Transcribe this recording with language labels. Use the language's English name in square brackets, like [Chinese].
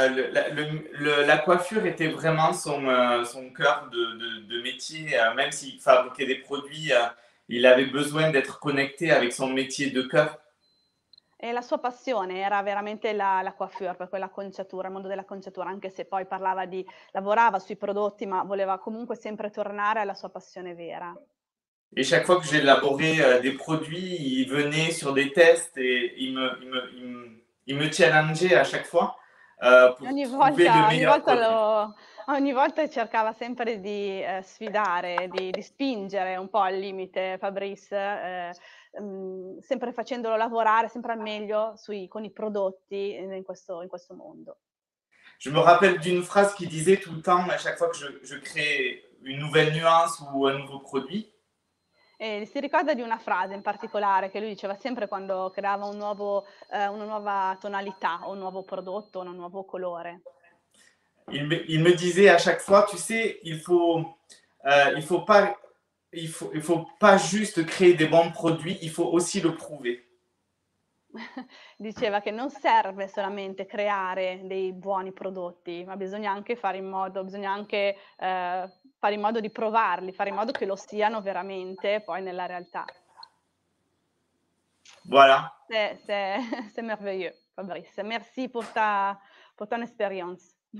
[French] La coiffure était vraiment son cœur de métier, même s'il fabriquait des produits, il avait besoin d'être connecté avec son métier de cœur. [Italian] E la sua passione era veramente la coiffure, per quella conciatura, il mondo della conciatura, anche se poi lavorava sui prodotti, ma voleva comunque sempre tornare alla sua passione vera. [French] E chaque fois que j'élaborais des produits, il venait sur des tests et il me challengeait à chaque fois [Italian] Ogni volta cercava sempre di sfidare, di spingere un po' al limite Fabrice, sempre facendolo lavorare sempre al meglio con i prodotti in questo mondo. [French] Je me rappelle d'une phrase qui disait tout le temps, à chaque fois que je crée une nouvelle nuance ou un nouveau produit. [Italian] E si ricorda di una frase in particolare che lui diceva sempre quando creava una nuova tonalità o un nuovo prodotto, un nuovo colore. [French] Il me disait à chaque fois, tu sais, il faut pas juste créer des bons produits, il faut aussi le prouver. [Italian] Diceva che non serve solamente creare dei buoni prodotti, ma bisogna anche fare in modo di provarli, fare in modo che lo siano veramente poi nella realtà. [French] Voilà. C'est merveilleux, Fabrice. Merci pour ta expérience.